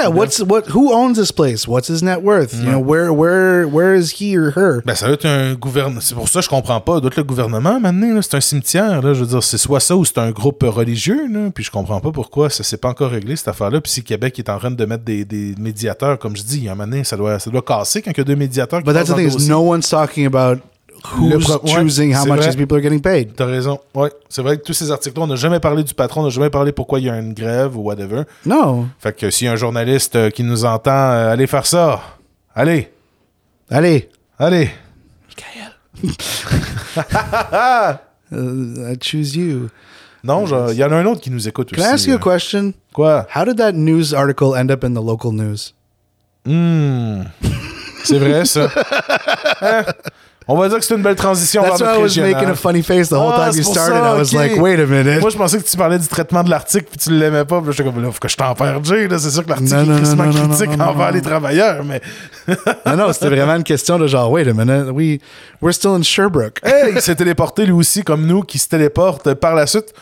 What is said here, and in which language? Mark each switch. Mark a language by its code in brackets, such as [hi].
[en] Yeah, who owns this place? What's his net worth? You know, where is he or her? [fr] Ben, ça doit être un gouvernement. C'est pour ça que je comprends pas. Ça doit être le gouvernement maintenant. Là, c'est un cimetière. Là, je veux dire, c'est soit ça ou c'est un groupe religieux. Là, puis je comprends pas pourquoi ça s'est pas encore réglé, cette affaire-là. Puis si Québec est en train de mettre des médiateurs. Comme je dis, il y a un moment donné, ça doit casser quand il y a deux médiateurs. [en] But that's the thing is, no one's talking about who's choosing how much these people are getting paid. [fr] T'as raison. Ouais, c'est vrai que tous ces articles-là, on n'a jamais parlé du patron, on n'a jamais parlé pourquoi il y a une grève ou whatever. Non. Fait que s'il y a un journaliste qui nous entend, allez faire ça. Allez. Allez. Allez. [en] Michael. I choose you. [fr] Non, il y en a un autre qui nous écoute aussi. [en] Can I ask you a question? [fr] Quoi? [en] How did that news article end up in the local news? [fr] C'est vrai, ça. Hein? On va dire que c'est une belle transition. [en] That's why I was making a funny face the whole time you started. [fr] Ça, [en] I was like, wait a minute. [fr] Moi, je pensais que tu parlais du traitement de l'article puis tu l'aimais pas. Puis je suis comme, là, faut que je t'en perde. C'est sûr que l'article est tristement critique envers les travailleurs, mais... Non, c'était vraiment une question de genre, [en] wait a minute, we're still in Sherbrooke. [fr] Hey, il s'est téléporté lui aussi, comme nous, qui se téléporte par la suite.